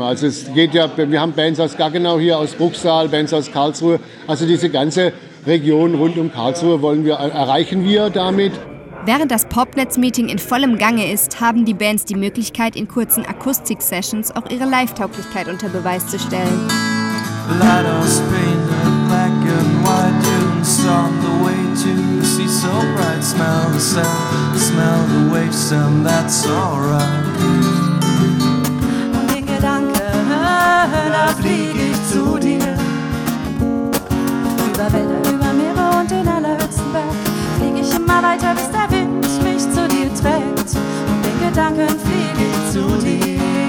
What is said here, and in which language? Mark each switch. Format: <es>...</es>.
<de>Also es geht ja, wir haben Bands aus Gaggenau hier, aus Bruchsal, Bands aus Karlsruhe. Also diese ganze Region rund um Karlsruhe erreichen wir damit. Während das Popnetz-Meeting in vollem Gange ist, haben die Bands die Möglichkeit, in kurzen Akustik-Sessions auch ihre Live-Tauglichkeit unter Beweis zu stellen.</de> <en>Let us paint the black and white dunes on the way to the sea so bright. Smell the sand, smell the waves and that's alright.</en> <de>Den Gedanken, da fliege ich zu dir. Über Wälder, über Meere und den allerhöchsten Berg. Fliege ich immer weiter, bis der Wind mich zu dir trägt. Und den Gedanken fliege ich zu dir.</de>